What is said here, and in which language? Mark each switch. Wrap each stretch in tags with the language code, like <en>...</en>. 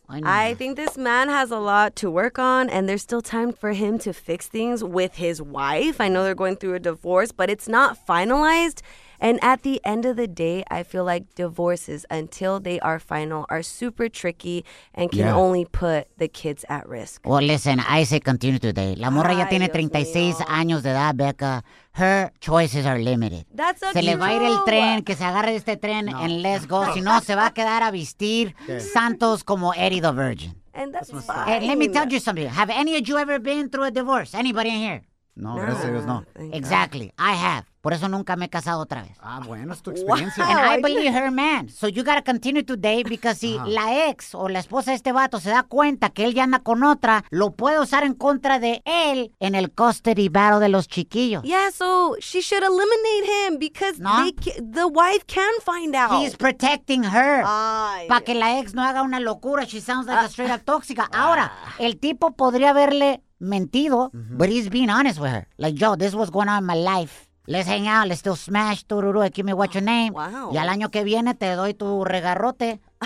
<en>I think this man has a lot to work on, and there's still time for him to fix things with his wife. I know they're going through a divorce, but it's not finalized. And at the end of the day, I feel like divorces, until they are final, are super tricky and can only put the kids at risk. Well, listen, I say continue today.</en> <es>La morra ya tiene 36 años de edad, Becca.</es> <en>Her choices are limited. That's okay.</en> <es>Se le va a ir el tren, que se agarre este tren and let's go. Si no, se va a quedar a vestir Santos como Eddie the Virgin.</es> <en>And that's fine. Let me tell you something. Have any of you ever been through a divorce? Anybody in here?</en> <es>No, gracias a Dios, no.</es> <en>Exactly. I have.</en> <es>Por eso nunca me he casado otra vez. Ah, bueno, es tu experiencia. Wow. And I believe her man. So you gotta continue today because si la ex o la esposa de este vato se da cuenta que él ya anda con otra, lo puede usar en contra de él en el custody battle de los chiquillos.</es> <en>Yeah, so she should eliminate him because the wife can find out.</en> <es>He's protecting her. Para que la ex no haga una locura.</es> <en>She sounds like a straight up tóxica. Ahora, el tipo podría haberle mentido, but he's being honest with her. Like, yo, this was going on in my life. Let's hang out. Let's still smash. Tururu. Give me what your name. Wow.</en> <es>Y al año que viene te doy tu regarrote.</es>